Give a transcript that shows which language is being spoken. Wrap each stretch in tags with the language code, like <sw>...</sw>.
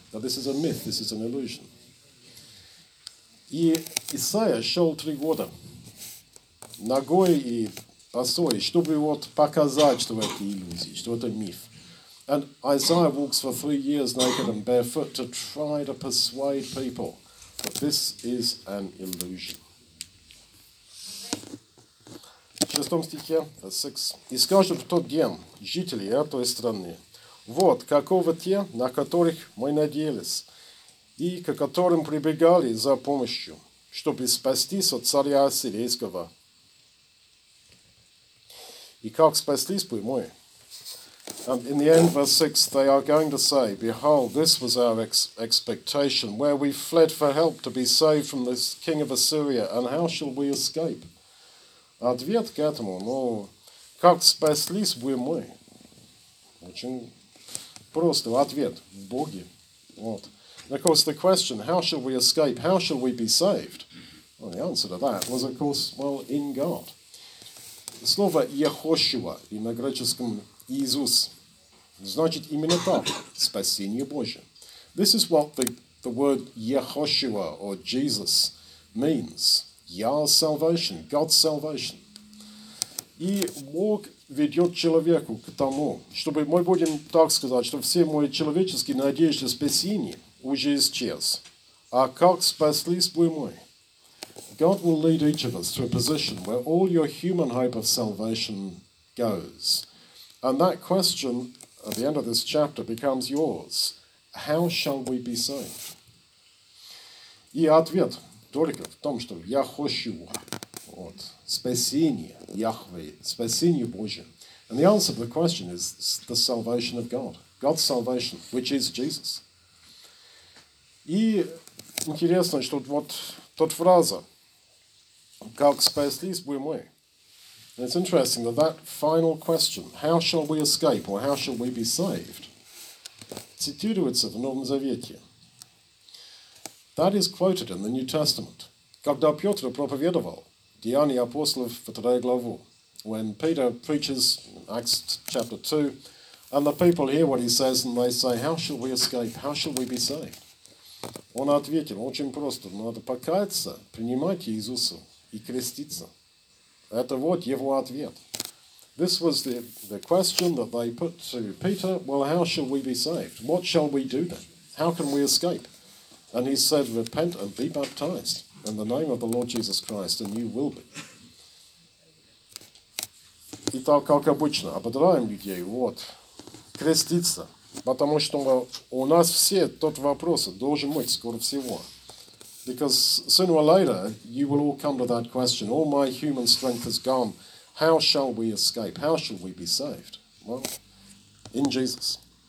<en>Now, this is a myth, this is an illusion.</en> <ru>И Исаия шел 3 года ногой и босой, чтобы вот показать, что это иллюзия, что это миф.</ru> <en>And Isaiah walks for 3 years naked and barefoot to try to persuade people that this is an illusion.</en> <ru>В 6 стихе, и скажут в тот день жители этой страны, вот каковы те, на которых мы надеялись, и к которым прибегали за помощью, чтобы спастись от царя Ассирийского. И как спастись бы мы?</ru> <en>And in the end, verse 6, they are going to say, behold, this was our expectation, where we fled for help to be saved from this king of Assyria, and how shall we escape?</en> <ru>Ответ к этому, ну, как спаслись бы мы? Очень просто ответ, в Боге. Вот.</ru> <en>And of course, the question, how shall we escape, how shall we be saved? Well, the answer to that was, of course, well, in God.</en> <ru>Слово «Яхошуа» и на греческом «Иисус» значит именно так, спасение Божие.</ru> <en>This is what the word «Яхошуа» or «Jesus» means. Your salvation, God's salvation.</en> <ru>И Бог ведет человеку к тому, чтобы мы будем так сказать, что все мои человеческие надежды спасения уже исчез. А как спаслись бы мы?</ru> <en>God will lead each of us to a position where all your human hope of salvation goes. And that question at the end of this chapter becomes yours. How shall we be saved?</en> <ru>И ответ только в том, что я хочу вот, спасение Яхве, спасение Божие.</ru> <en>And the answer to the question is the salvation of God. God's salvation, which is Jesus.</en> <ru>И интересно, что вот тот фраза, как спаслись бы мы?</ru> <en>It's interesting that that final question, how shall we escape or how shall we be saved,</en> <ru>цитируется в Новом Завете.</ru> <en>That is quoted in the New Testament.</en> <ru>Когда Петр проповедовал Деяния апостолов в 3 главу,</ru> <en>when Peter preaches Acts chapter 2, and the people hear what he says and they say, how shall we escape, how shall we be saved?</en> <ru>Он ответил, очень просто, надо покаяться, принимать Иисуса и креститься. Это вот его ответ.</ru> <en>This was the question that they put to Peter. Well, how shall we be saved? What shall we do then? How can we escape? And he said, repent and be baptized in the name of the Lord Jesus Christ, and you will be.</en> <ru>Итак, как обычно, ободряем людей, вот, креститься. Потому что у нас все тот вопрос должен быть скоро всего.</ru> <en>Because sooner or later, you will all come to that question. All my human strength has gone. How shall we escape? How shall we be saved? Well, in Jesus.</en>